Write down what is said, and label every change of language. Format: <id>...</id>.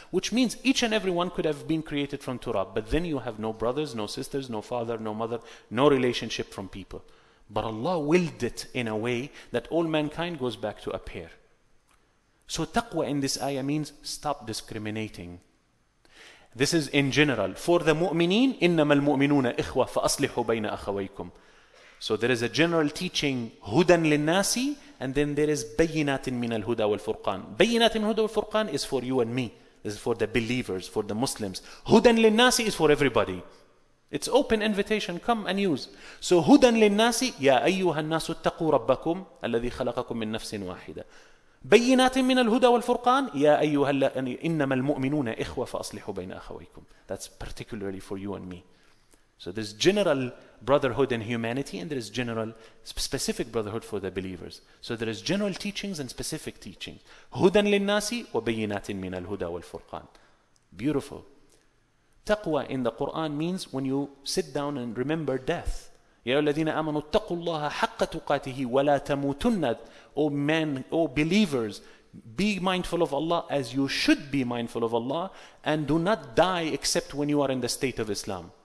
<en>Which means each and every one could have been created from turab. But then you have no brothers, no sisters, no father, no mother, no relationship from people. But Allah willed it in a way that all mankind goes back to a pair. So taqwa in this ayah means stop discriminating. This is in general. For the mu'mineen,</en> <ar>إِنَّمَا الْمُؤْمِنُونَ إِخْوَةَ فَأَصْلِحُوا بَيْنَ أَخَوَيْكُمْ.</ar> <en>So there is a general teaching,</en> <ar>هُدًى لِلنَّاسِ,</ar> <en>and then there is</en> <ar>بَيِّنَاتٍ مِنَ الْهُدَى وَالْفُرْقَانِ. بَيِّنَاتٍ مِنَ الْهُدَى وَالْفُرْقَانِ</ar> <en>is for you and me. This is for the believers, for the Muslims.</en> <ar>هُدًى لِلنَّاسِ</ar> <en>is for everybody. It's open invitation, come and use.</en> <ar>So هُدًى لِلنَّاسِ, يَا أَيُّهَا النَّاسُ اتَّقُوا رَبَّكُمْ الَّذِي خَلَقَكُمْ مِنْ نَفْسٍ وَاحِدَةٍ. بينات من الهدى والفرقان يا أيها إنما المؤمنون إخوة فأصلحوا بين أخويكم.</ar> <en>That's particularly for you and me. So there's general brotherhood in humanity and there is general specific brotherhood for the believers. So there is general teachings and specific teachings.</en> <ar>هدى للناس وبينات من الهدى والفرقان.</ar> <en>Beautiful. تقوى in the Quran means when you sit down and remember death.</en> <ar>يا الذين آمنوا اتقوا الله حق تقاته ولا تموتن.</ar> <en>O men, O believers, be mindful of Allah as you should be mindful of Allah and do not die except when you are in the state of Islam.</en>